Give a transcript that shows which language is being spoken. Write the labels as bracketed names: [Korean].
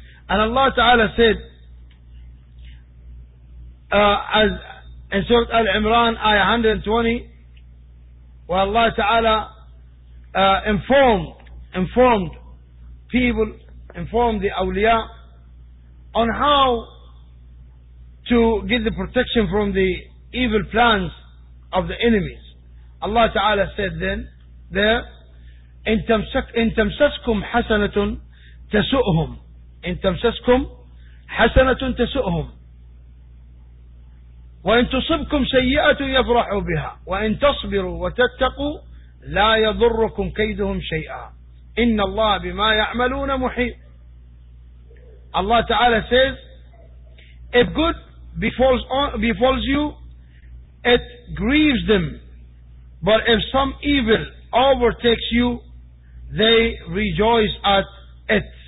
[English] And Allah Ta'ala said, as in Surah Al-Imran, ayah 120, where Allah Ta'ala informed people, informed the awliya on how to get the protection from the evil plans of the enemies. Allah Ta'ala said then, there, [Arabic] إن تمسسكم حسنة تسؤهم. إن تمسسكم حسنة تسؤهم. وإن تصبكم سيئة يفرحوا بها. وإن تصبروا وتتقوا لا يضركم كيدهم شيئا. إن الله بما يعملون محيط. [English] Allah Ta'ala says, if good befalls you, it grieves them. But if some evil overtakes you, they rejoice at it.